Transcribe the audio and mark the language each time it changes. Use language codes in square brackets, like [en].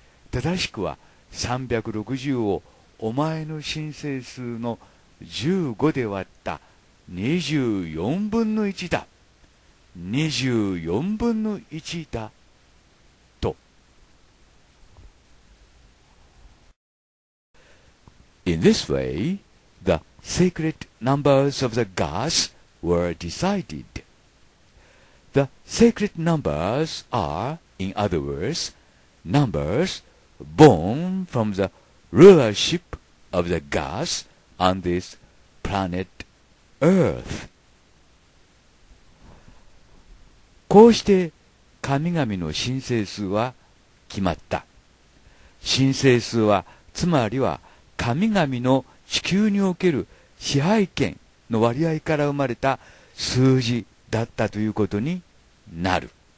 [ja] 正しくは360をお前の申請数の15で割った24分の1だ24分の1だと。 [en] In this way, the secret numbers of the gods were decided. The secret numbers areIn other words, numbers born from the rulership of the gods on this planet Earth. [ja] こうして神々の神聖数は決まった。神聖数はつまりは神々の地球における支配権の割合から生まれた数字だったということになる。